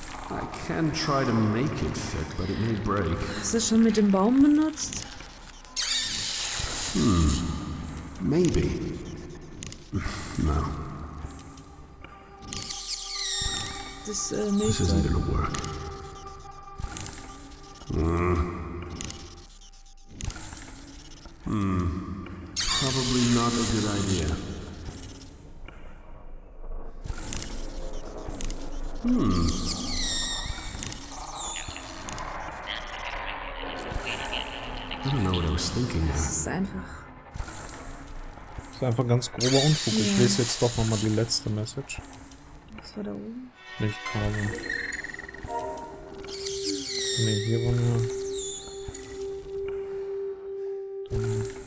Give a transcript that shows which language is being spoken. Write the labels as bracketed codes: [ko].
[en] I can try to make it fit, but it may break. [de] Hast du schon mit dem Baum benutzt? [en] Maybe. No. This isn't gonna work. Probably not a good idea. I don't know what I was thinking there. [de] Das ist einfach. Das ist einfach ganz grober Unfug. Yeah. Ich lese jetzt doch nochmal die letzte Message. Was war da oben? Nicht kaufen. Ne, hier wollen wir.